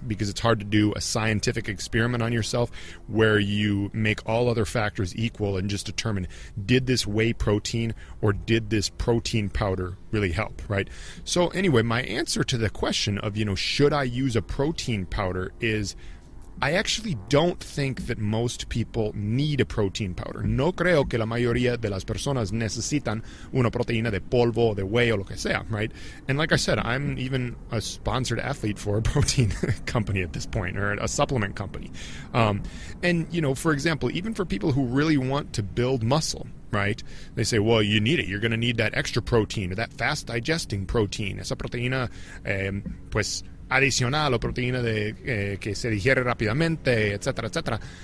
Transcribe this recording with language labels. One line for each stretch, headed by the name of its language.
English: Because it's hard to do a scientific experiment on yourself where you make all other factors equal and just determine, did this whey protein or did this protein powder really help, right? So anyway, my answer to the question of, you know, should I use a protein powder is, I actually don't think that most people need a protein powder.
Spanish: No creo que la mayoría de las personas necesitan una proteína de polvo, de whey, o lo que sea, right?
English: And like I said, I'm even a sponsored athlete for a protein company at this point, or a supplement company. And, you know, for example, even for people who really want to build muscle, right? They say, well, you need it. You're going to need that extra protein, or that fast-digesting protein,
Spanish: esa proteína, pues, adicional o proteína de que se digiere rápidamente, etc., etc.